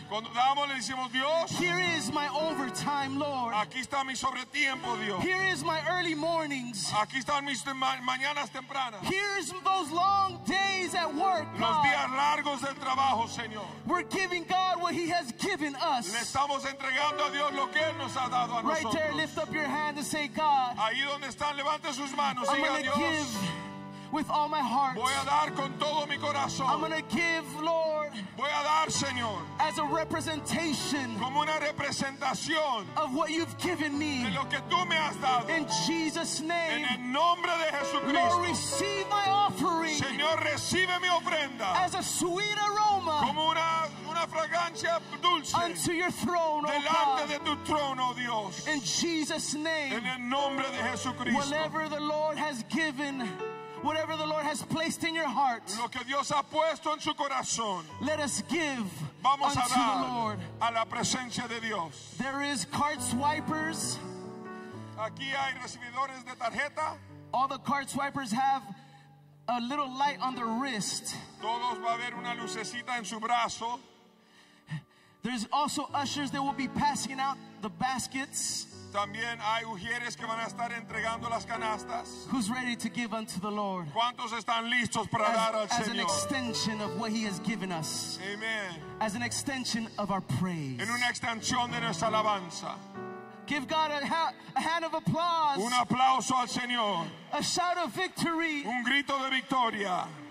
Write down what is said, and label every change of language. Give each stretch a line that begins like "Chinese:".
Spanish: cuando damos, le decimos, Dios,
English: here is my overtime, Lord.
Spanish: Aquí está mi sobretiempo, Dios.
English: Here is my early mornings.
Spanish: Aquí están mis mañanas tempranas.
English: Here's those long days at work, God.
Spanish: Los días largos del trabajo, Señor.
English: We're giving God what he has given us.
Spanish: Le estamos entregando a Dios lo que él nos ha dado a nosotros.
English: Right there, lift up your hand and say, God,
Spanish: ahí donde están, levante sus manos,
English: I'm going to give with all my heart.
Spanish: Voy a dar con todo mi corazón.
English: I'm going to give, Lord,
Spanish: voy a dar, Señor,
English: as a representation,
Spanish: como una representación,
English: of what you've given me,
Spanish: de lo que tú me has dado.
English: In Jesus' name,
Spanish: en el nombre de Jesucristo.
English: Lord, receive my offering,
Spanish: Señor, recibe mi ofrenda,
English: as a sweet aroma,
Spanish: como una fragancia dulce,
English: unto your throne,
Spanish: delante
English: oh God,
Spanish: de tu trono, Dios.
English: In Jesus' name,
Spanish: en el nombre de Jesucristo.
English: Whatever the Lord has given, whatever the Lord has placed in your heart,
Spanish: lo que Dios ha puesto en su corazón,
English: let us give,
Spanish: vamos
English: unto
Spanish: a dar
English: the Lord,
Spanish: a la presencia de Dios.
English: There is card swipers.
Spanish: Aquí hay recibidores de tarjeta.
English: All the card swipers have a little light on their wrist.
Spanish: Todos va a haber una lucecita en su brazo.
English: There's also ushers that will be passing out the baskets.
Spanish: También hay ujieres que van a estar entregando las canastas.
English: Who's ready to give unto the Lord?
Spanish: ¿Cuántos están listos para dar al Señor?
English: As an extension of what he has given us. Amen. As an extension of our praise.
Spanish: En una extensión de nuestra alabanza.
English: Give God a hand of applause.
Spanish: Un aplauso al Señor.
English: A shout of victory.
Spanish: Un grito de victoria.